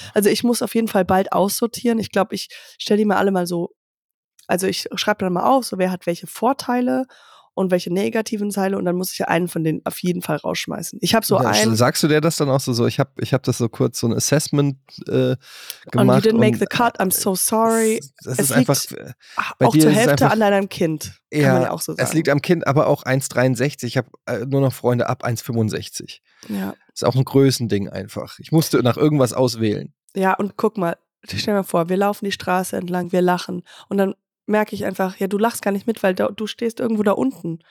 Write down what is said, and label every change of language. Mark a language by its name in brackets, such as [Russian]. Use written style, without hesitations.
[German] Also ich muss auf jeden Fall bald aussortieren. Ich glaube, ich stelle die mir alle mal so, also ich schreibe dann mal auf, so wer hat welche Vorteile und welche negativen Seile und dann muss ich ja einen von denen auf jeden Fall rausschmeißen. Ich habe so ja, einen. Sagst du dir das dann auch so? Ich hab das so kurz so ein Assessment gemacht. [English] And you didn't make the cut, I'm so sorry. [German] Das ist einfach, bei auch dir zur Hälfte einfach, an deinem Kind, kann ja, man ja auch so sagen. Es liegt am Kind, aber auch 1,63. Ich habe nur noch Freunde ab 1,65. Ja. Ist auch ein Größending einfach. Ich musste nach irgendwas auswählen. Ja, und guck mal, stell dir mal vor, wir laufen die Straße entlang, wir lachen und dann merke ich einfach, ja, du lachst gar nicht mit, weil du stehst irgendwo da unten.